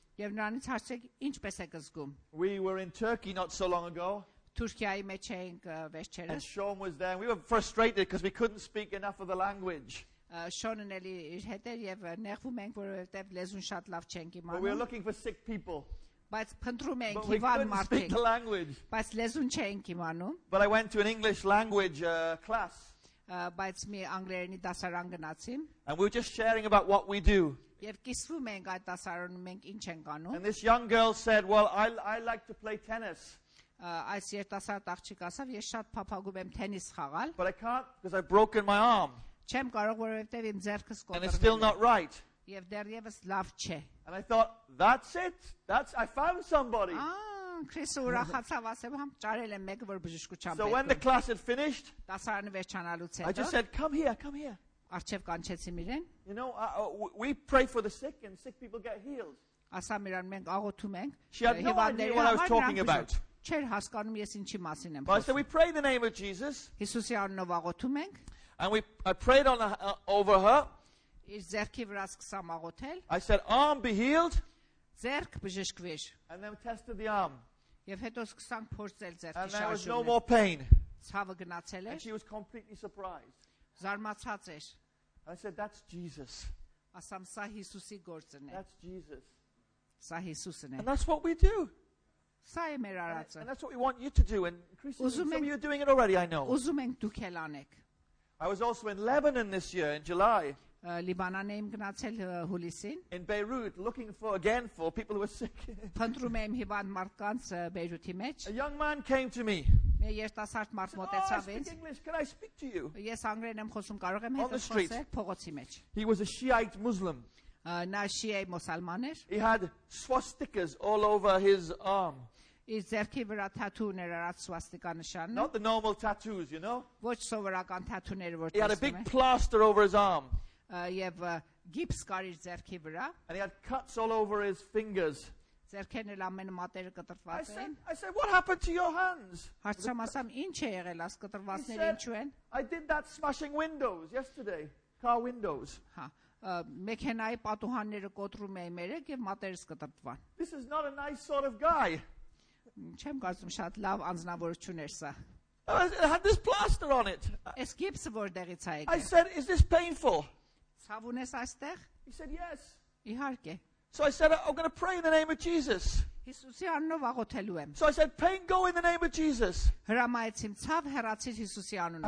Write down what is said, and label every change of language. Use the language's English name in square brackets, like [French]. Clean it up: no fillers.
[Armenian] Եվ նրանից հարցեք ինչպես է զգում։ [English] We were in Turkey not so long ago. [Armenian] Թուրքիայի մեջ էինք վերջերս։ [English] And Sean was there. We were frustrated because we couldn't speak enough of the language. [Armenian] Sean-ն էլի իր հետ էր եւ նեղվում ենք որովհետեւ լեզուն շատ լավ չենք իմանում։ [English] But we were looking for sick people. [Armenian] Բայց փնտրում էինք հիվանդ մարդիկ։ [English] But [Armenian] լեզուն չենք իմանում։ [English] But I went to an English language class. [Armenian] Բայց մի անգլերենի դասարան գնացին։ [English] And we were just sharing about what we do. [Armenian] Եվ կիսվում ենք այդ դասարանում մենք ինչ ենք անում։ [English] And this young girl said, "Well, I like to play tennis." [Armenian] Այս երիտասարդ աղջիկ ասավ, "Ես շատ փափագում եմ թենիս խաղալ." [English] But I can't because I've broken my arm. [Armenian] Չեմ կարող, որովհետև իմ ձեռքս կոտրվել է։ [English] And it's still not right. [Armenian] Եվ դեռևս լավ չէ։ [English] And I thought, "That's it. That's I found somebody." [Armenian] Քրիս ուրախացավ, ասեմ, համ ճարել եմ մեկը, որ բժշկությամբ։ [English] So when the class had finished, [Armenian] դասարանը վերջանալուց հետո, [English] I just said, come here. [Armenian] Արջև կանչեցի իրեն։ [English] You know, we pray for the sick and sick people get healed. [Armenian] Ասա իրան, մենք աղոթում ենք։ [English] She had no idea what I was talking about. [Armenian] Չէր հասկանում ես ինչի մասին եմ խոսում։ [English] But so we pray in the name of Jesus. [Armenian] Հիսուսի անունով աղոթում ենք։ [English] And I prayed on over her. [Armenian] Իր ձեռքի վրա սկսամ աղոթել։ [English] I said, arm be healed. [Armenian] Ձերք բժշկվեր։ [English] And then tested the arm. [Armenian] Եվ հետո սկսանք փորձել ձերքի շարժումը։ [English] And there was no more pain. [Armenian] Ցավը գնացել էր։ [English] And she was completely surprised. [Armenian] Զարմացած էր։ [English] I said, that's Jesus. [Armenian] Ասամ, սա Հիսուսի գործն է։ [English] That's Jesus. [Armenian] Սա Հիսուսն է։ [English] And that's what we do. [Armenian] Սա է մեր արածը։ [English] And that's what we want you to do. And Christians, some of you are doing it already, I know. [Armenian] Ուզում ենք դուք էլ անեք։ [English] I was also in Lebanon this year in July. [Armenian] Լիբանան եմ գնացել հուլիսին։ [English] In Beirut looking for again for people who are sick. [Armenian] Փնտրում եմ հիվանդ մարդկանց Բեյրութի մեջ։ [English] A young man came to me. [Armenian] Մի երիտասարդ մարդ մոտեցավ ինձ։ [English] Oh, speak English, can I speak to you? [Armenian] Ես անգլերեն եմ խոսում, կարող եմ հետ խոսել փողոցի մեջ։ [English] He was a Shiite Muslim. [Armenian] Նա շիայ մուսալման էր։ [English] He had swastikas all over his arm. [Armenian] Իր ձեռքի վրա tattoo ուներ արած սվաստիկա նշանը։ [English] Not the normal tattoos, you know. [Armenian] Ոչ սովորական tattoo-ները, որ տեսնում եք։ [English] He had a big plaster over his arm. [Armenian] Եվ գիպս կար իր ձեռքի վրա։ [English] And he had cuts all over his fingers. [Armenian] Ձեռքերն էլ ամեն մատերը կտրված էին։ [English] I said, what happened to your hands? [Armenian] Հարցրեմ, ասամ, ինչ է եղել այս կտրվածները, ինչու են։ [English] I did that smashing windows yesterday, car windows. [Armenian] Հա, մեքենայի պատուհանները կոտրում էի մերեկ եւ մատերս կտրտվան։ [English] This is not a nice sort of guy. [Armenian] Չեմ կարծում շատ լավ անձնավորություն էր սա։ [English] It had this plaster on it. [Armenian] Էս գիպսը որտեղից է եկել։ [English] I said, is this painful? [Armenian] Ցավունես այստեղ։ [English] He said yes. [Armenian] Իհարկե։ [English] So I said I'm going to pray in the name of Jesus. [Armenian] Հիսուսի անունով աղոթելու եմ։ [English] So I said pain go in the name of Jesus. [Armenian] Հրամայեցի ցավ հեռացիր Հիսուսի անունով։